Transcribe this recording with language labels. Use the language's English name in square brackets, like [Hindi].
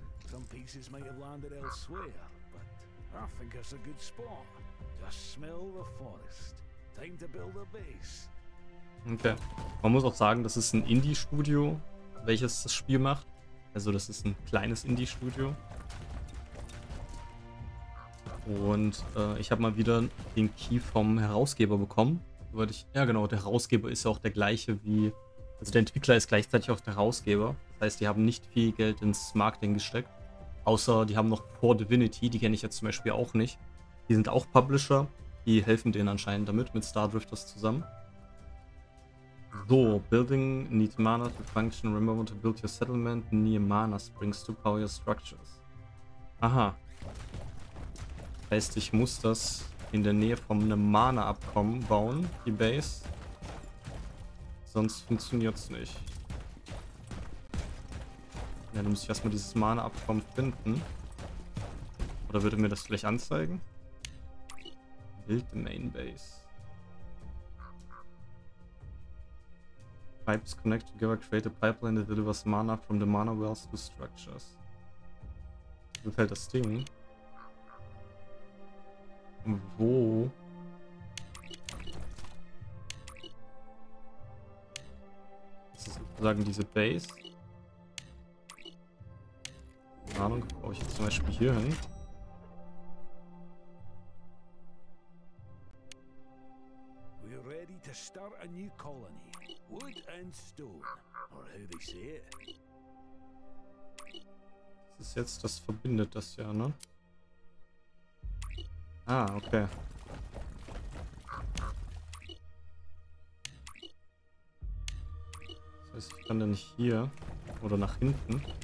[English] Some pieces might have landed elsewhere, but I think it's a good spot. Just smell the forest. Time to build a base. Okay. [German] Man muss auch sagen, das ist ein Indie-Studio, welches das Spiel macht. Also das ist ein kleines Indie-Studio. Und ich habe mal wieder den Key vom Herausgeber bekommen. Der Herausgeber ist ja auch der gleiche wie... Also der Entwickler ist gleichzeitig auch der Herausgeber. Das heißt, die haben nicht viel Geld ins Marketing gesteckt. Außer die haben noch Core Divinity, die kenne ich jetzt zum Beispiel auch nicht. Die sind auch Publisher, die helfen denen anscheinend damit, mit Stardrifters zusammen. [English] So, building need mana to function, remember to build your settlement near mana springs to power your structures. Aha. [German] Heißt, ich muss das in der Nähe von einem Mana-Abkommen bauen, die Base. Sonst funktioniert es nicht. Ja, dann muss ich erstmal dieses Mana-Abkommen finden. Oder würde mir das vielleicht anzeigen? [English] Build the main base. Pipes connect together, create a pipeline that delivers mana from the mana wells to structures. [German] Mir gefällt das Ding. Wo? Das ist sozusagen diese Base. Ahnung, brauche ich jetzt zum Beispiel hier hin. [English] We're ready to start a new colony. Wood and stone, or how they say it. [German] Das ist jetzt, das verbindet das ja, ne? Ah, okay. Das heißt, ich kann dann hier oder nach hinten.